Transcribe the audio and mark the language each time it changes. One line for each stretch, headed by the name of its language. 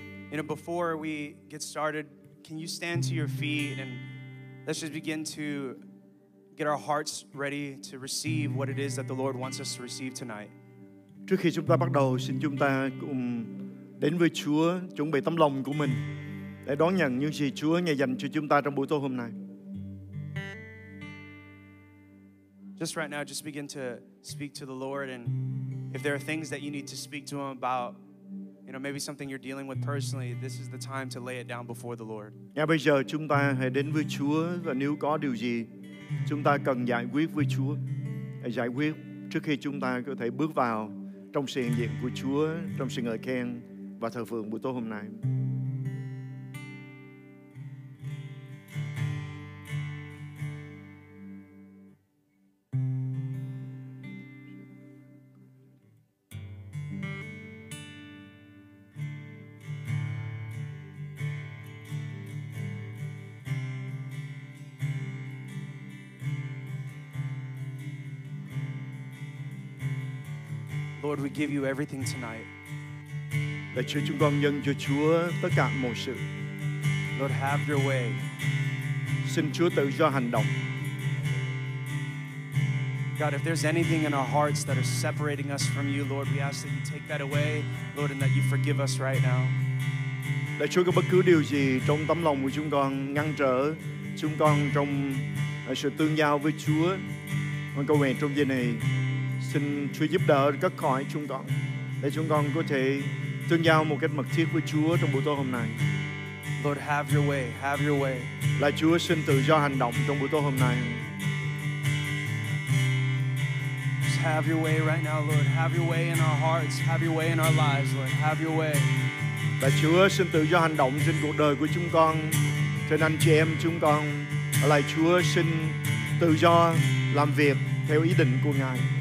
English: You know, before we get started, can you stand to your feet and let's just begin to get our hearts ready to receive what it is that the Lord wants us to receive tonight.
Vietnamese: Trước khi chúng ta bắt đầu, xin chúng ta cùng đến với Chúa, chuẩn bị tấm lòng của mình để đón nhận những gì Chúa ngài dành cho chúng ta trong buổi tối hôm nay.
English: Just right now, just begin to speak to the Lord, and if there are things that you need to speak to Him about, you know, maybe something you're dealing with personally, this is the time to lay it down before the Lord.
Vietnamese: Ngay bây giờ chúng ta hãy đến với Chúa, và nếu có điều gì chúng ta cần giải quyết với Chúa, hãy giải quyết trước khi chúng ta có thể bước vào trong sự hiện diện của Chúa, trong sự ngợi khen và thờ phượng buổi tối hôm nay.
English: Lord, we give you everything tonight.
Vietnamese: Để Chúa chúng con dâng cho Chúa tất cả mọi sự.
English: Lord, have your way.
Vietnamese: Xin Chúa tự do hành động.
English: God, if there's anything in our hearts that are separating us from you, Lord, we ask that you take that away, Lord, and that you forgive us right now.
Vietnamese: Để Chúa có bất cứ điều gì trong tấm lòng của chúng con ngăn trở chúng con trong sự tương giao với Chúa, con cầu nguyện trong giây này. Xin Chúa giúp đỡ các khỏi chúng con để chúng con có thể tương giao một cách mật thiết với Chúa trong buổi tối hôm nay.
English: Lord, have your way, have your way.
Vietnamese: Lạy Chúa, xin tự do hành động trong buổi tối hôm nay.
English: Just have your way right now, Lord. Have your way in our hearts, have your way in our lives, Lord. Have your way.
Vietnamese: Lạy Chúa, xin tự do hành động trên cuộc đời của chúng con, trên anh chị em chúng con. Lạy Chúa, xin tự do làm việc theo ý định của Ngài.